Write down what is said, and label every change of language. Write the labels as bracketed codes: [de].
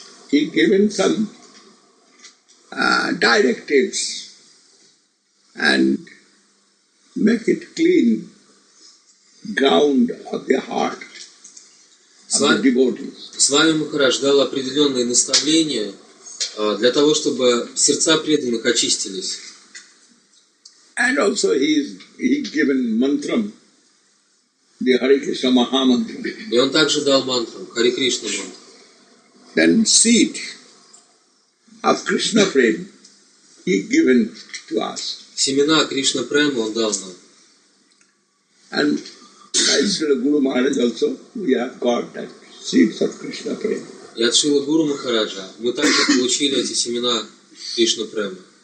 [en] He given some directives and make it clean ground of the heart of the devotees. [ru] Свами Махарадж дал определенные наставления для того, чтобы сердца преданных очистились. [en] And also he's given mantram, the Hare Krishna Mahamantra. [ru] И он также дал мантру, Hare Krishna Mantra. [en] Then seed of Krishna Prema he given to us. [ru] Семена Кришна Према он дал нам. [en] And by Srila Guru Maharaj also we have got that seeds of Krishna Prema. [ru] И от Шрила Гуру Махараджа мы также получили эти семена Кришна Према.